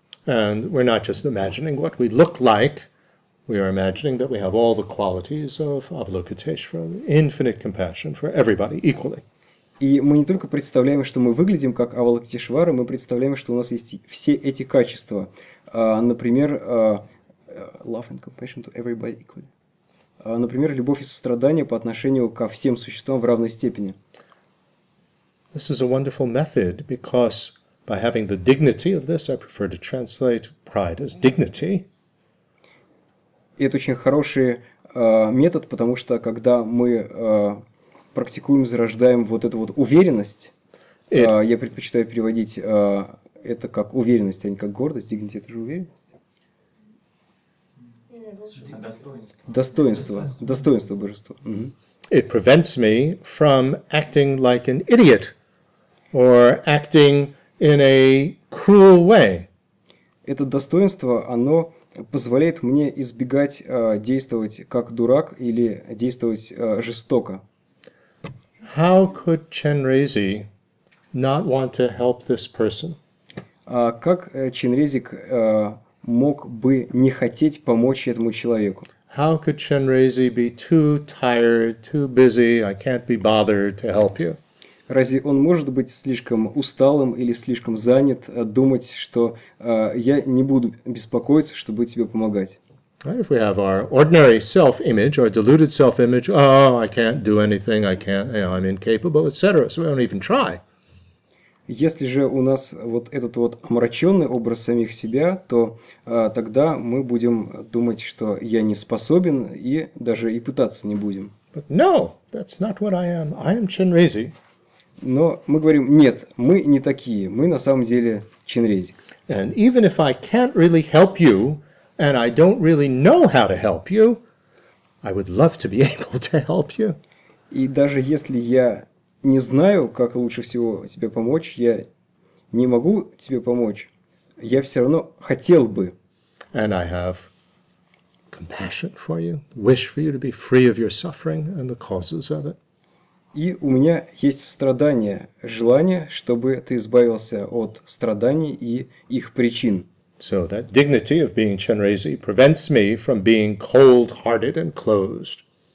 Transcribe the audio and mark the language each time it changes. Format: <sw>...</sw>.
<en>And we're not just imagining what we look like, we are imagining that we have all the qualities of Avalokiteshvara, infinite compassion for everybody equally.</en> <ru>И мы не только представляем, что мы выглядим как Авалокитешвара, мы представляем, что у нас есть все эти качества. Например,</ru> <en>love and compassion to everybody equally.</en> <ru>Например, любовь и сострадание по отношению ко всем существам в равной степени.</ru> <en>This is a wonderful method because by having the dignity of this, I prefer to translate pride as dignity.</en> <ru>И это очень хороший метод, потому что когда мы практикуем, зарождаем вот эту вот уверенность, я предпочитаю переводить это как уверенность, а не как гордость. Dignity – это же уверенность. Достоинство. Достоинство божества.</ru> <en>It prevents me from acting like an idiot or acting in a cruel way.</en> <ru>Это достоинство, оно позволяет мне избегать действовать как дурак или действовать жестоко.</ru> <en>How could Chenrezig not want to help this person?</en> <ru>Как Чинрезик мог бы не хотеть помочь этому человеку.</ru> <en>How could Chenrezig be too tired, too busy? I can't be bothered to help you.</en> <ru>Разве он может быть слишком усталым или слишком занят думать, что я не буду беспокоиться, чтобы тебе помогать?</ru> <en>If we have our ordinary self-image, our deluded self-image, oh, I can't do anything, I can't, I'm incapable, etc. So we don't even try.</en> <ru>Если же у нас вот этот вот омраченный образ самих себя, то тогда мы будем думать, что я не способен и даже и пытаться не будем.</ru> <en>But no, that's not what I am. I am Chenrezig.</en> <ru>Но мы говорим, нет, мы не такие, мы на самом деле Чинрезик.</ru> <en>And even if I can't really help you, and I don't really know how to help you, I would love to be able to help you.</en> <ru>И даже если я не знаю, как лучше всего тебе помочь, я не могу тебе помочь, я все равно хотел бы.</ru> <en>And I have compassion for you, wish for you to be free of your suffering and the causes of it.</en> <ru>И у меня есть страдание, желание, чтобы ты избавился от страданий и их причин.</ru> <en>So that dignity of being Chenrezig prevents me from being cold-hearted and closed.</en>